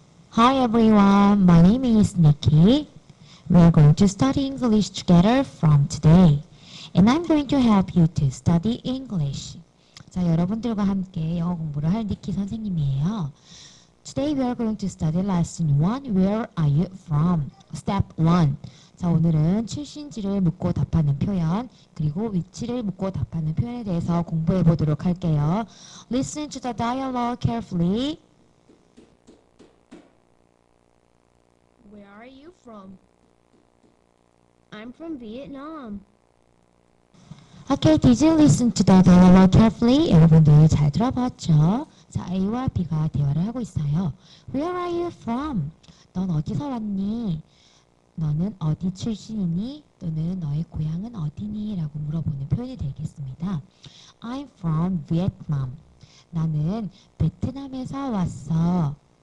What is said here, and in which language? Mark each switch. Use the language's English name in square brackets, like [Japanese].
[English] Hi everyone, my name is Nikki. We are going to study English together from today. And I'm going to help you to study English. [Korean] 자, 여러분들과 함께 영어 공부를 할 니키 선생님이에요. [English] Today we are going to study lesson 1, Where are you from? Step 1. [Korean] 자, 오늘은 출신지를 묻고 답하는 표현, 그리고 위치를 묻고 답하는 표현에 대해서 공부해 보도록 할게요. [English] Listen to the dialogue carefully. Where are you from? I'm from Vietnam. Okay, did you listen to the dialogue carefully? [Korean] 여러분들 잘 들어봤죠? 자, A와 B가 대화를 하고 있어요. [English] Where are you from? [Korean] 넌 어디서 왔니? 너는 어디 출신이니? 또는 너의 고향은 어디니? 라고 물어보는 표현이 되겠습니다. [English] I'm from Vietnam. [Korean] 나는 베트남에서 왔어.